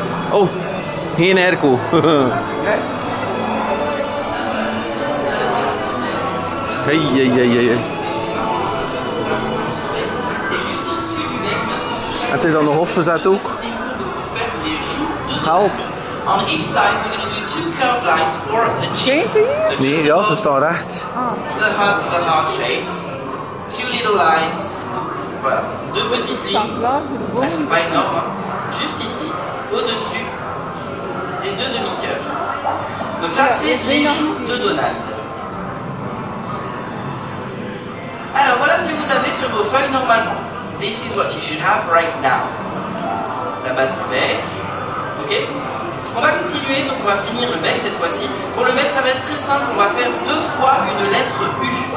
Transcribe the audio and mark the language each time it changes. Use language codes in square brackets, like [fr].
[nl] Oh, geen airco. Hey, hey, hey, hey. Het is dan nog opgezet ook. [en] Help. On each side we're gonna do two curved lines for the chicks. [nl] Nee, ja, ze staan recht. [en] The heart of the heart shapes. Two little lines. [fr] Deux petites lignes. Pas énorme. Juste ici, au-dessus des deux demi-cœurs. Donc ça, c'est les joues de Donald. Alors voilà ce que vous avez sur vos feuilles normalement. [en] This is what you should have right now. [fr] La base du bec. Ok? On va continuer, donc on va finir le bec cette fois-ci. Pour le bec, ça va être très simple. On va faire deux fois une lettre U.